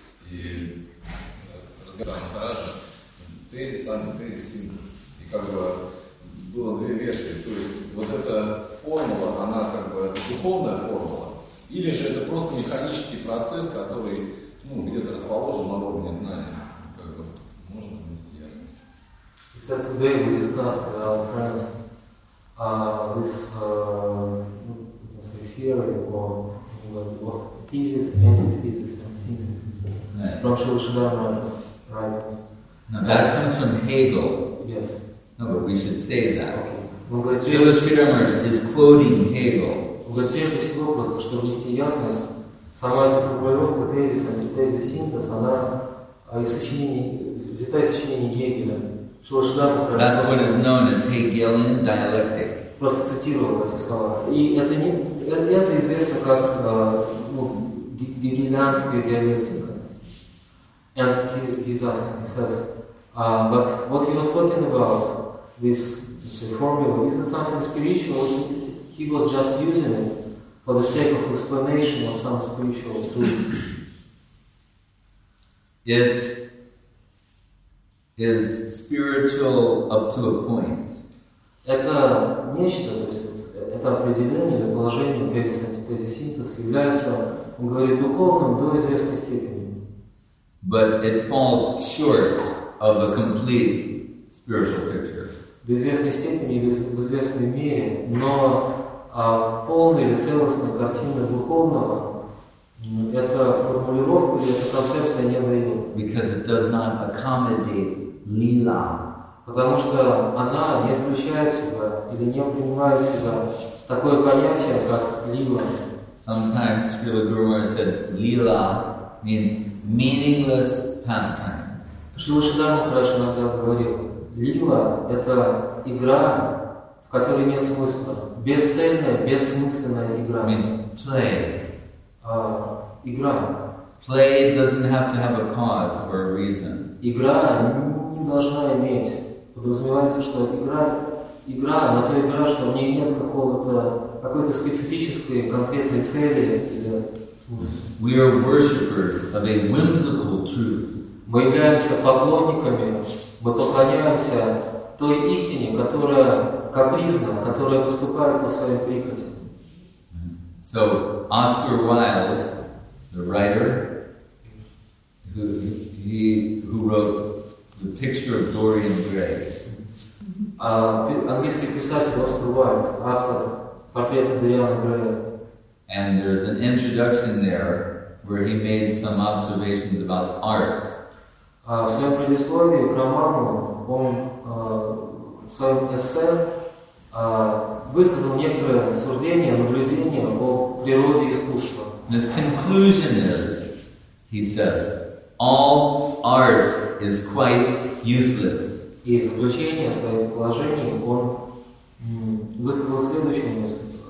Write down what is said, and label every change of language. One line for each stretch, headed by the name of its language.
Russian: И разговаривали о фразе тезис, антитезис, синтез. И как бы было две версии. То есть вот эта формула, она как бы духовная формула. Или же это просто механический процесс, который, ну, где-то расположен на уровне знания. Как бы можно внести ясность.
English: It says today we discussed our friends this theory of thesis, antithesis, and synthesis. From Schleiermacher's writings. Now that comes from Hegel. Yes. No, but we should say that. Okay. Schleiermacher is quoting Hegel.
Russian: Во-первых, всего просто, чтобы внести ясность, сама эта формулировка тезис, антитезис, синтез, она взята из сочинений Гегеля.
English: That's what is known as Hegelian dialectic.
Russian: Просто цитировал эти слова. И это известно как гегелианская диалектика.
English: And he's asking, he says, but what he was talking about, this formula, is it something spiritual? He was just using it for the sake of explanation of some spiritual truth. It is spiritual up to a point.
Russian: Это нечто, то есть это определение или положение тезис, антитезис, синтез является, он говорит, духовным до известной степени.
English: But it falls short of a complete spiritual picture.
Russian: До известной степени или в известной мере, но полная или целостная картина духовного это формулировка или эта концепция не дает.
English: Because it does not accommodate лила.
Russian: Потому что она не включает в себя или не принимает в себя такое понятие, как лила.
English: Sometimes Srila Guru Maharaj said лила means meaningless pastime.
Russian: Шрила Шридхара Махарадж иногда говорил, лила это игра, в которой нет смысла. Бесцельная, бессмысленная игра.
English: Means play.
Russian: Игра.
English: Play doesn't have to have a cause or a reason.
Russian: Игра не должна иметь. Подразумевается, что игра, но то игра, что в ней нет какой-то специфической, конкретной цели или смысла.
English: We are worshippers of a whimsical truth.
Russian: Мы являемся поклонниками, мы поклоняемся той истине, которая капризна, которая выступает по своей прихоти.
English: So, Oscar Wilde, the writer, who wrote The Picture of Dorian Gray.
Russian: Английский писатель Оскар Уайльд, автор портрета Дориана Грея.
English: And there's an introduction there where he made some observations about art.
Russian: В своем предисловии к роману он в своем эссе высказал некоторые суждения, наблюдения о природе искусства.
English: His conclusion is, he says, all art is quite useless. И в заключение своего положения он высказал следующую мысль.